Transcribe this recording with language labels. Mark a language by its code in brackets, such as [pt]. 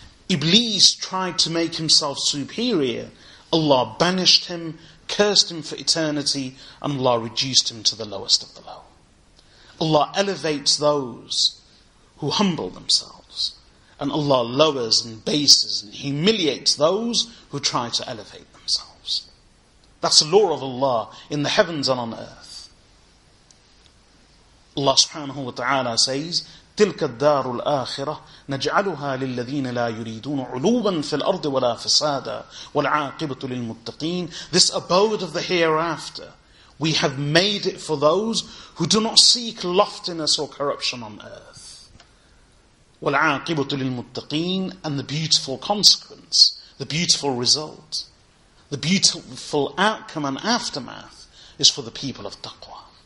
[en] Iblis tried to make himself superior. Allah banished him, cursed him for eternity, and Allah reduced him to the lowest of the low. Allah elevates those who humble themselves. And Allah lowers and bases and humiliates those who try to elevate themselves. That's the law of Allah in the heavens and on earth. [ar] Allah subhanahu wa ta'ala says, تِلْكَ الدَّارُ الْآخِرَةِ نَجْعَلُهَا لِلَّذِينَ لَا يُرِيدُونَ عُلُوبًا فِي الْأَرْضِ وَلَا فَسَادًا وَالْعَاقِبَةُ لِلْمُتَّقِينَ. [en] This abode of the hereafter, we have made it for those who do not seek loftiness or corruption on earth. وَالْعَاقِبَةُ لِلْمُتَّقِينَ, and the beautiful consequence, the beautiful result, the beautiful outcome and aftermath is for the people of taqwa.